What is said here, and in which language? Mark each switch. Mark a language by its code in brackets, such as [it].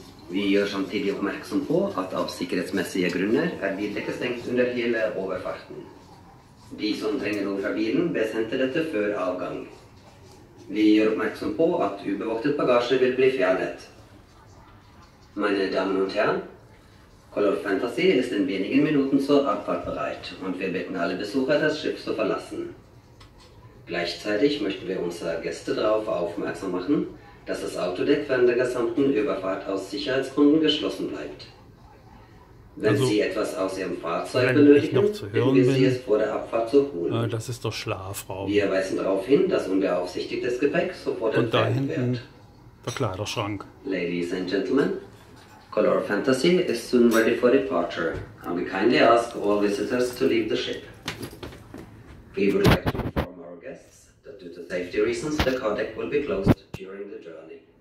[no] Vi gjør samtidig oppmerksom på at av sikkerhetsmessige grunner bildekket stengt under hele overfarten. De som trenger noe fra bilen, bes hente dette før avgang. Vi gjør oppmerksom på at ubevoktet bagasje vil bli fjernet. [de] Meine Damen und Herren, Color Fantasy ist in wenigen Minuten zur Abfahrt bereit und wir bitten alle Besucher, das Schiff zu verlassen. Gleichzeitig möchten wir unsere Gäste darauf aufmerksam machen, dass das Autodeck während der gesamten Überfahrt aus Sicherheitsgründen geschlossen bleibt. Wenn also, Sie etwas aus Ihrem Fahrzeug benötigen, bitten wir Sie, es vor der Abfahrt zu holen. Das ist der Schlafraum. Wir weisen darauf hin, dass unbeaufsichtigtes Gepäck sofort und entfernt wird. Und da hinten der Kleiderschrank. [en] Ladies and Gentlemen, Color Fantasy is soon ready for departure, and we kindly ask all visitors to leave the ship. We would like to inform our guests that due to safety reasons, the car deck will be closed during the journey.